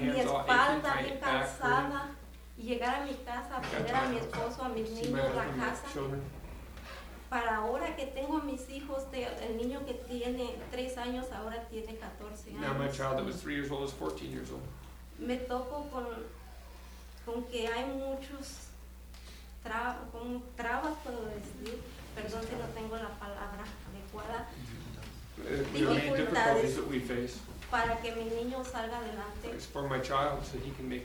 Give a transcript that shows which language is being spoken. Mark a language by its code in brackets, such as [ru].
[es] mi espalda bien cansada, y llegar a mi casa a ver a mi esposo, a mis niños, la casa. Para ahora que tengo a mis hijos, el niño que tiene 3 años ahora tiene 14 años. [en] Now my child that was 3 years old is 14 years old. [es] Me topo con que hay muchos trabas, puedo decir, perdón si no tengo la palabra adecuada, [en] dificultades that we face [es] para que mi niño salga adelante [en] for my child, so he can make